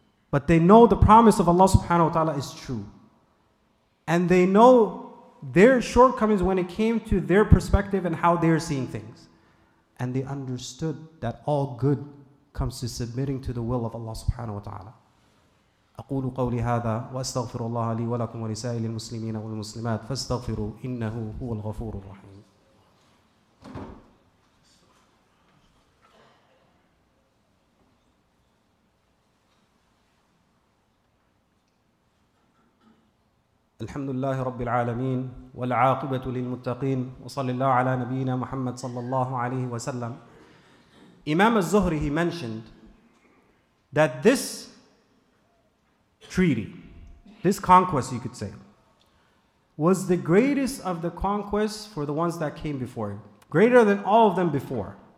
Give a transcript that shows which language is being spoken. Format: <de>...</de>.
<en>But they know the promise of Allah subhanahu wa ta'ala is true. And they know their shortcomings when it came to their perspective and how they're seeing things. And they understood that all good comes to submitting to the will of Allah subhanahu wa ta'ala.</en> <ar>أقول قولي هذا وأستغفر الله لي ولكم ولسائر المسلمين والمسلمات فاستغفروا إنه هو الغفور الرحيم. الحمد لله رب العالمين والعاقبة للمتقين وصلى الله على نبينا محمد صلى الله عليه وسلم.</ar> <en>Imam al-Zuhri, he mentioned that this treaty, this conquest, you could say, was the greatest of the conquests for the ones that came before, greater than all of them before.</en>